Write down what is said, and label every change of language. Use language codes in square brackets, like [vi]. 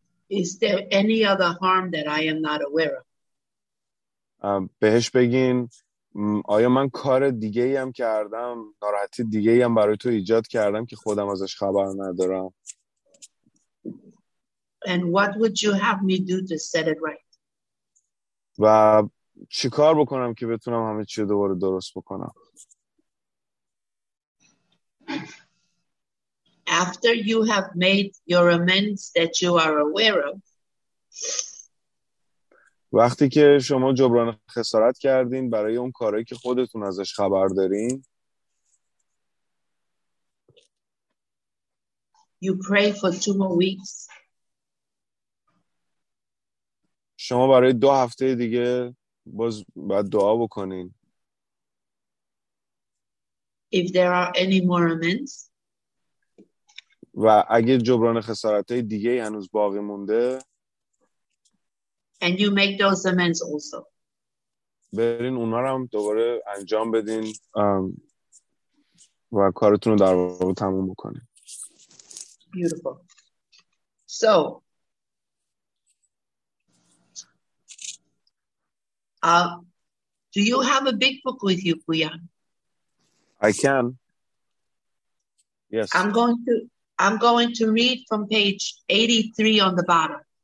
[en] Is there any other harm that I am not aware of? [fa] بهش بگین آیا من کار دیگه ای هم کردم، ناراحتی دیگه ای هم برای تو ایجاد کردم که خودم ازش خبر ندارم؟ [en] And what would you have me do to set it right? [fa] و چی کار بکنم که بتونم همه چی رو دوباره درست بکنم؟ [en] After you have made your amends that you are aware of. [fa] وقتی که شما جبران خسارت کردین برای اون کاری که خودتون ازش خبر دارین. [en] You pray for two more weeks. [fa] شما برای دو هفته دیگه باز باید دعا بکنین. [en] If there are any more amends. [fa] و اگه جبران خسارت های دیگه هنوز باقی مونده. [en] And you make those amends also. [fa] برین اونا رو هم دوباره انجام بدین و کارتون رو در واقع تموم بکنین. [en] Beautiful. So do you have a big book with you, Puyan? I can. Yes. I'm going to read from page 83 on the bottom.